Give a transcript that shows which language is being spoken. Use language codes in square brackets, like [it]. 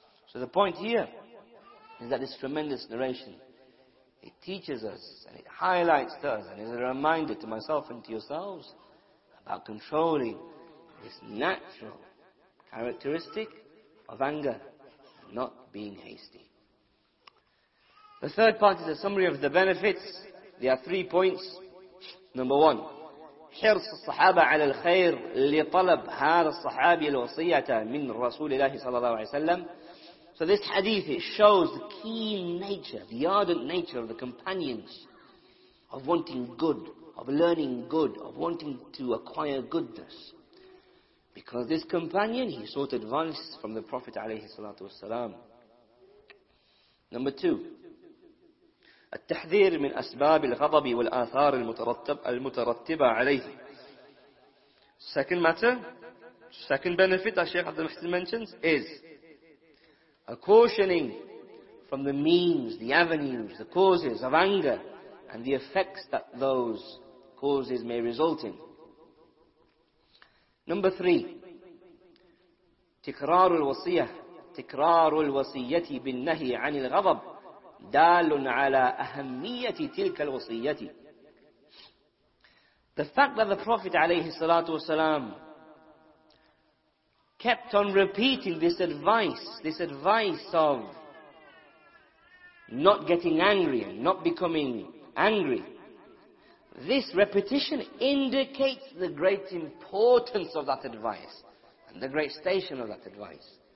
[en] So the point here is that this tremendous narration, it teaches us and it highlights to us and is a reminder to myself and to yourselves about controlling this natural characteristic of anger and not being hasty. The third part is a summary of the benefits. There are 3 points. Number one, [ar] حرص الصحابة على الخير لطلب هذا الصحابي الوصية من رسول الله صلى الله عليه وسلم. [en] So this hadith, it shows the keen nature, the ardent nature of the companions of wanting good, of learning good, of wanting to acquire goodness. Because this companion, he sought advice from the Prophet [ar] عليه الصلاة والسلام. [en] Number two, [ar] التحذير من أسباب الغضب والآثار المترتبة عليه. [en] Second matter, second benefit that Shaykh Abdul Muhsin mentions is a cautioning from the means, the avenues, the causes of anger and the effects that those causes may result in. Number three, [ar] تكرار الوصية تكرار الوصية بالنهي عن الغضب دال على أهمية تلك الوصية. [en] The fact that the Prophet [ar] عليه الصلاة والسلام [en] kept on repeating this advice of not getting angry and not becoming angry. This repetition indicates the great importance of that advice and the great station of that advice.